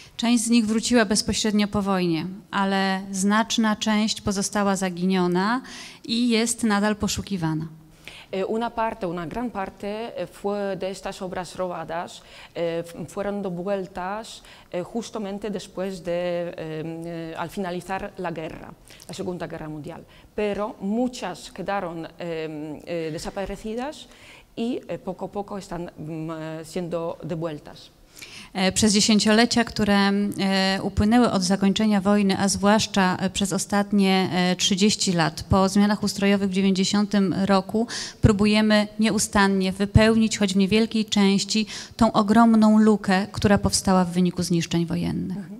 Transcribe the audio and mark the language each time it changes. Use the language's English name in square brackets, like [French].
[Polish] Część z nich wróciła bezpośrednio po wojnie, ale znaczna część pozostała zaginiona i jest nadal poszukiwana. [Spanish] Una gran parte fue de estas obras robadas fueron devueltas justamente después de al finalizar la guerra, la Segunda Guerra Mundial. Pero muchas quedaron desaparecidas y poco a poco están siendo devueltas. [Polish] Przez dziesięciolecia, które upłynęły od zakończenia wojny, a zwłaszcza przez ostatnie 30 lat, po zmianach ustrojowych w 90 roku, próbujemy nieustannie wypełnić, choć w niewielkiej części, tą ogromną lukę, która powstała w wyniku zniszczeń wojennych.